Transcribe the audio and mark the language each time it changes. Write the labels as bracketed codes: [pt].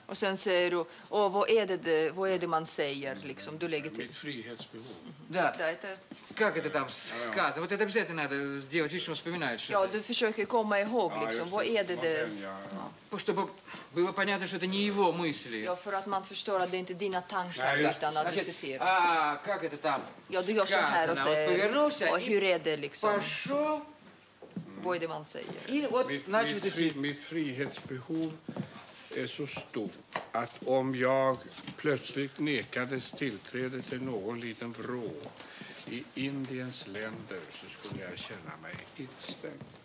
[sv] Och sen säger du, vad är det man säger? Liksom, du lägger till. Mitt frihetsbehov. [ru] Да. Как это там сказано? Вот это обязательно надо сделать, видишь, он вспоминает. [sv] Ja, du försöker komma ihåg, liksom, vad är det det? [ru] Чтобы было понятно, что это не его мысли. [sv] Ja, för att man förstår att det inte är dina tankar, utan att du citerar. [ru] А, как это там? [sv] Ja, du gör så här och säger. [ru] Вот повернулся. [sv] Och hur är det, liksom? [ru] Пошел. [sv] Vad är det man säger? Mitt frihetsbehov är så stor att om jag plötsligt nekades tillträde till någon liten vrå i Indiens länder så skulle jag känna mig instängd.